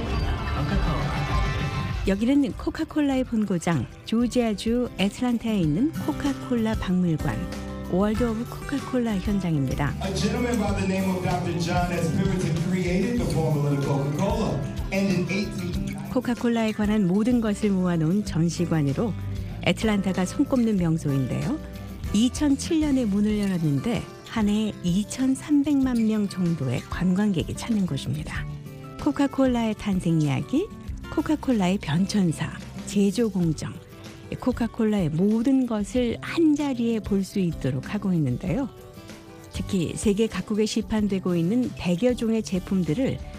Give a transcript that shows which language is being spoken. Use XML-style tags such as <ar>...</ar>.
<en>Enjoy the rest of your visit to the world of Coca-Cola.</en> <ko>여기는 코카콜라의 본고장, 조지아주 애틀란타에 있는 코카콜라 박물관, 월드 오브 코카콜라 현장입니다.</ko> <en>A gentleman by the name of Dr. John S. Pemberton created the formula to Coca-Cola, and in</en> <ko>코카콜라에 관한 모든 것을 모아놓은 전시관으로 애틀란타가 손꼽는 명소인데요. 2007년에 문을 열었는데 한 해 2,300만 명 정도의 관광객이 찾는 곳입니다. 코카콜라의 탄생 이야기, 코카콜라의 변천사, 제조 공정, 코카콜라의 모든 것을 한자리에 볼 수 있도록 하고 있는데요. 특히 세계 각국에 시판되고 있는 100여 종의 제품들을</ko>